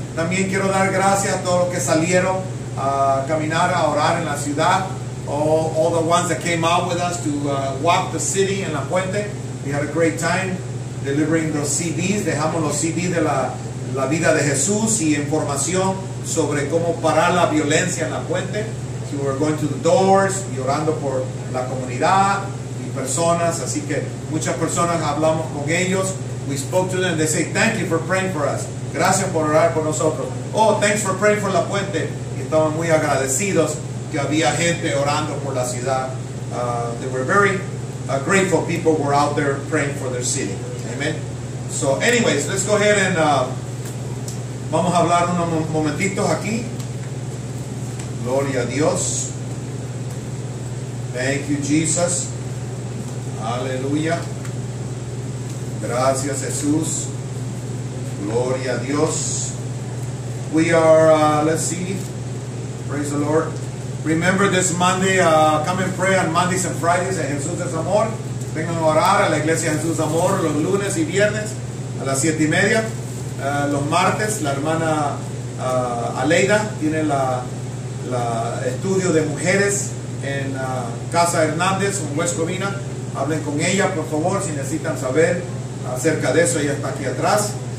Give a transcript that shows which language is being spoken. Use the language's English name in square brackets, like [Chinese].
[Spanish] También quiero dar gracias a todos los que salieron a caminar, a orar en la ciudad. [English] All the ones that came out with us to walk the city en La Puente. We had a great time delivering those CDs. [Spanish] Dejamos los CDs de la vida de Jesús y información sobre cómo parar la violencia en La Puente. [English] So we're going to the doors [Spanish] y orando por la comunidad y personas. Así que muchas personas hablamos con ellos. [English] We spoke to them. They say, thank you for praying for us. [Spanish] Gracias por orar por nosotros. [English] Oh, thanks for praying for La Puente. [Spanish] Y estaban muy agradecidos que había gente orando por la ciudad. [English] They were very grateful people were out there praying for their city. Amen. So, anyways, let's go ahead and [Spanish] vamos a hablar unos momentitos aquí. Gloria a Dios. [English] Thank you, Jesus. [Spanish] Aleluya. Gracias, Jesús. Gloria a Dios. [English] We are, let's see. Praise the Lord. Remember this Monday, come and pray on Mondays and Fridays at Jesús es Amor. [Spanish] Vengan a orar a la iglesia Jesús Amor los lunes y viernes a las 7:30. Los martes, la hermana Aleida tiene la estudio de mujeres en Casa Hernández, en West Covina. Hablen con ella, por favor, si necesitan saber acerca de eso. Ella está aquí atrás.